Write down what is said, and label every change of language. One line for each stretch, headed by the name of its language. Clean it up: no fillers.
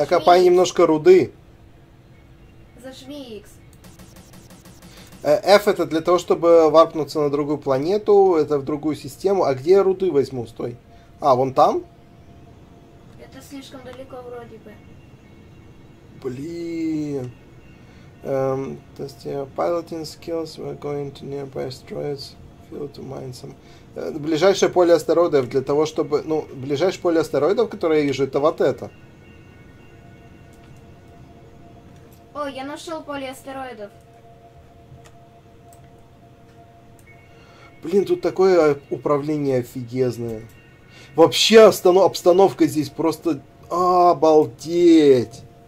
Russian: Накопай немножко руды. Зажми X. F это для того, чтобы варпнуться на другую планету, это в другую систему. А где я руды возьму? Стой. А, вон там? Это слишком далеко вроде бы. Блин.
English: Test your piloting skills, we're going to nearby asteroids, field to mine some.
Russian: Ближайшее поле астероидов для того, чтобы... Ну, ближайшее поле астероидов, которое я вижу, это вот это. О, я нашел поле астероидов. Блин, тут такое управление офигезное. Вообще обстановка здесь просто обалдеть.